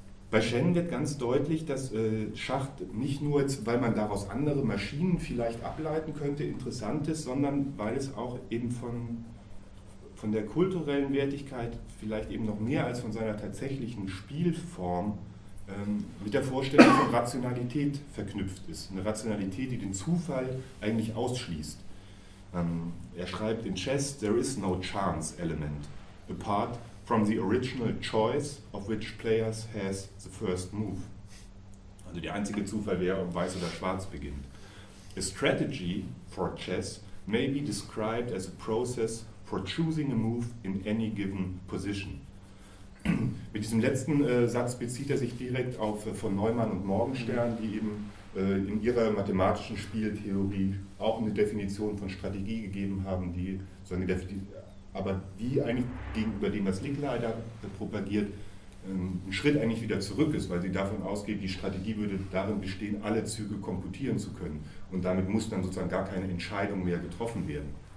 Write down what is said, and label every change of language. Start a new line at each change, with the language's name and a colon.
German: Bei Shannon wird ganz deutlich, dass Schach nicht nur, jetzt, weil man daraus andere Maschinen vielleicht ableiten könnte, interessant ist, sondern weil es auch eben von der kulturellen Wertigkeit vielleicht eben noch mehr als von seiner tatsächlichen Spielform mit der Vorstellung von Rationalität verknüpft ist. Eine Rationalität, die den Zufall eigentlich ausschließt. Er schreibt in
English: Chess, there is no chance element, apart from the original choice of which players has the first move.
German: Also der einzige Zufall wäre, ob weiß oder schwarz beginnt.
English: A strategy for chess may be described as a process for choosing a move in any given position.
German: Mit diesem letzten Satz bezieht er sich direkt auf von Neumann und Morgenstern, die eben in ihrer mathematischen Spieltheorie auch eine Definition von Strategie gegeben haben, die so eine aber die eigentlich gegenüber dem, was Licklider propagiert, einen Schritt eigentlich wieder zurück ist, weil sie davon ausgeht, die Strategie würde darin bestehen, alle Züge komputieren zu können. Und damit muss dann sozusagen gar keine Entscheidung mehr getroffen werden.